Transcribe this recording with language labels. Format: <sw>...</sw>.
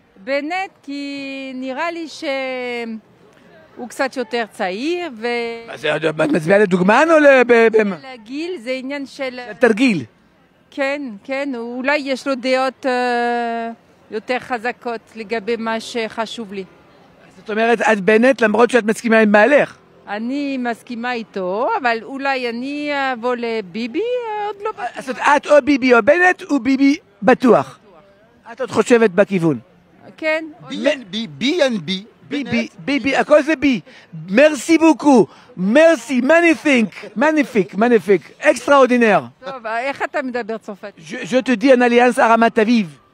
<fr>Bennett qui n'ira pas chez.</fr> <he>הוא קצת יותר צעיר, ו... מה זה, את מצביעה לדוגמן או למה? לגיל, זה עניין של... תרגיל. כן, כן, אולי יש לו דעות יותר חזקות לגבי מה שחשוב לי. זאת אומרת, את בנט, למרות שאת מסכימה עם בעלך. אני מסכימה איתו, אבל אולי אני אבוא לביבי, עוד לא בטוח. זאת אומרת, את או ביבי או בנט, או ביבי בטוח. את עוד חושבת בכיוון. כן. B&B. ביבי, הכל זה בי.</he> <fr>מרסי בוקו, מרסי, מניפיק, מניפיק, מניפיק, אקסטראודינר.</fr> <he>טוב, איך אתה מדבר צרפתית?</he> <fr>Je te dis en alliance à Ramat Aviv.</fr>